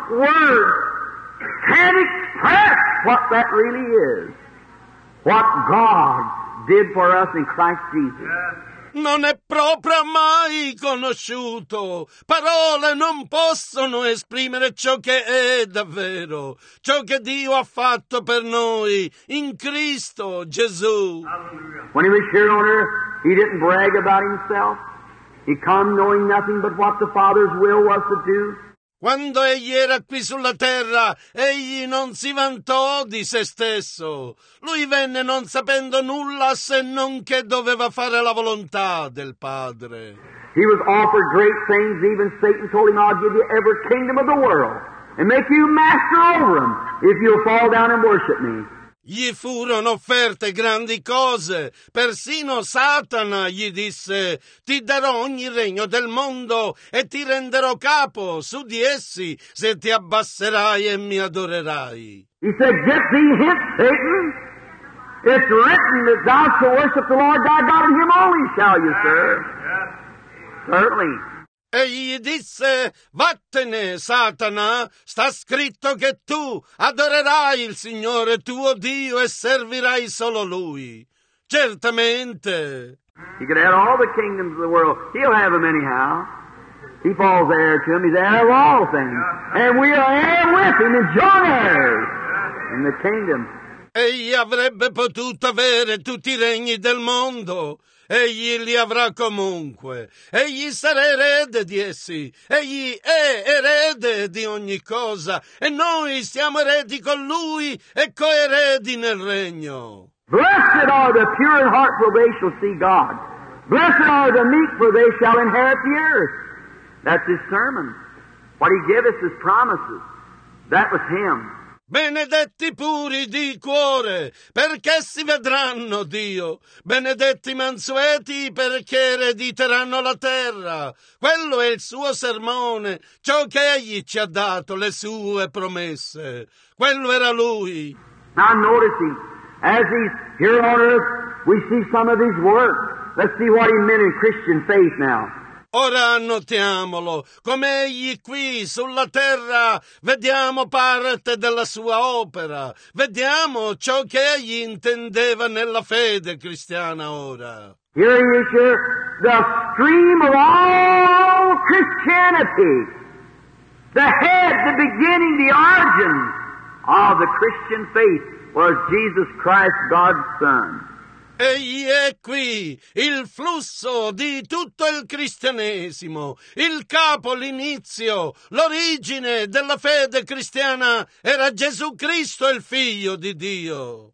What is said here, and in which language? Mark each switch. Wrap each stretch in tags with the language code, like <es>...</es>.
<en>Words can't express what that really is. What God did for us in Christ Jesus.</en> <it>Non è proprio mai conosciuto. Parole non possono esprimere ciò che è davvero. Ciò che Dio ha fatto per noi in Cristo Gesù.</it> <en>When he was here on earth, he didn't brag about himself. He came knowing nothing but what the Father's will was to do.</en> <it>Quando egli era qui sulla terra, egli non si vantò di se stesso. Lui venne non sapendo nulla se non che doveva fare la volontà del Padre.</it> <en>He was offered great things, even Satan told him, I'll give you every kingdom of the world and make you master over them if you'll fall down and worship me.</en> <it>Gli furono offerte grandi cose. Persino Satana gli disse, ti darò ogni regno del mondo e ti renderò capo su di essi se ti abbasserai e mi adorerai.</it> <en>He said, get thee hence, Satan. It's written that thou shalt worship the Lord thy God, and him only shall you serve. Yes. Certainly.</en> <it>E gli disse, vattene, Satana, sta scritto che tu adorerai il Signore tuo Dio e servirai solo Lui. Certamente.</it> <en>He could have all the kingdoms of the world. He'll have them anyhow. He falls heir to him. He's heir of all things. And we are heir with him and joint heirs in the kingdom.</en> <it>Egli avrebbe potuto avere tutti i regni del mondo. Egli li avrà comunque. Egli sarà erede di essi. Egli è erede di ogni cosa. E noi siamo eredi con lui e coeredi nel regno.</it> <en>Blessed are the pure in heart, for they shall see God. Blessed are the meek, for they shall inherit the earth. That's his sermon. What he gave us, his promises. That was him.</en> <it>Benedetti puri di cuore, perché si vedranno Dio. Benedetti mansueti, perché erediteranno la terra. Quello è il suo sermone, ciò che egli ci ha dato, le sue promesse. Quello era lui.</it> <en>Now noticing, as he's here on earth, we see some of his work. Let's see what he meant in Christian faith now.</en> <it>Ora notiamolo, come egli qui sulla terra, vediamo parte della sua opera, vediamo ciò che egli intendeva nella fede cristiana ora.</it> <en>Here he is here, the stream of all Christianity, the head, the beginning, the origin of the Christian faith was Jesus Christ, God's Son.</en> <it>Egli è qui, il flusso di tutto il cristianesimo, il capo, l'inizio, l'origine della fede cristiana era Gesù Cristo, il Figlio di Dio.</it>